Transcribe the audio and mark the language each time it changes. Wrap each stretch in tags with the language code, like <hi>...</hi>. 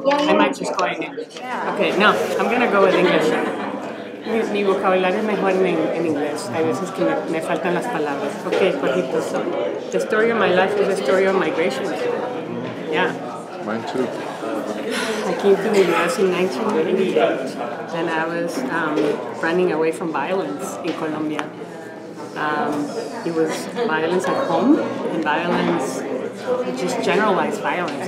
<en>Yeah. I might just go in English. Yeah. Okay, no, I'm going to go with English.</en> <es>Mi vocabulario es mejor en inglés. Hay veces que me faltan las palabras.</es> <en>Okay, Jorgito, so the story of my life is the story of migration. Yeah. Mine too. I came to the U.S. in 1988, and I was running away from violence in Colombia. It was violence at home, and violence, just generalized violence.</en>